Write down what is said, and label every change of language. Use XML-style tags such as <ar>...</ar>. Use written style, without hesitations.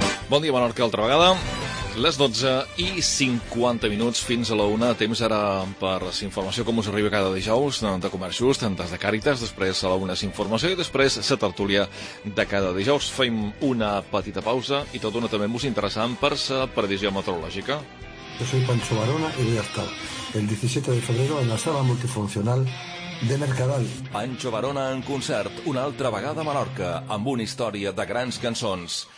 <ca>Bon dia, Menorca, altra vegada. Les 12 i 50 minuts fins a la 1. Temps ara per la informació com us arriba cada dijous de Comerç Just, des de Càritas, després a la 1 s'informació i després la tertúlia de cada dijous. Fem una petita pausa i tot una també molt interessant per la previsió meteorològica.</ca> <es>Yo soy Pancho Barona y voy a estar el 17 de febrero en la sala multifuncional de Mercadal.</es> <ca>Pancho Barona en concert, una altra vegada a Menorca, amb una història de grans cançons.</ca>